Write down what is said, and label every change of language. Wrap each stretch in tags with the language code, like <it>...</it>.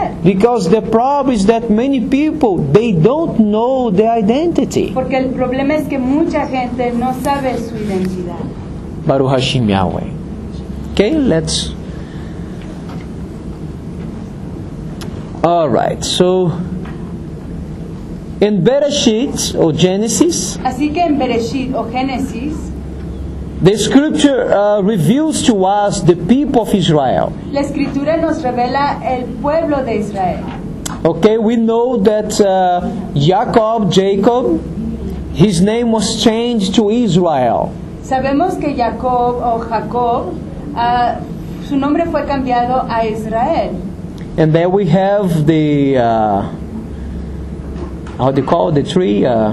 <en>Because the problem is that many people, they don't know their identity.</en> <es>Porque el problema es que mucha gente no sabe su identidad.</es> <he>Baruch Hashem Yahweh.</he> <en>Okay, let's... All right, so... In Bereshit, or Genesis...</en> <es>Así que en Bereshit, o Génesis...</es> <en>The scripture reveals to us the people of Israel.</en> <es>La escritura nos revela el pueblo de Israel.</es> <en>Okay, we know that Jacob, his name was changed to Israel.</en> <es>Sabemos que Jacob o Jacob, su nombre fue cambiado a Israel.</es> <en>And then we have the how do you call it, the tree?</en>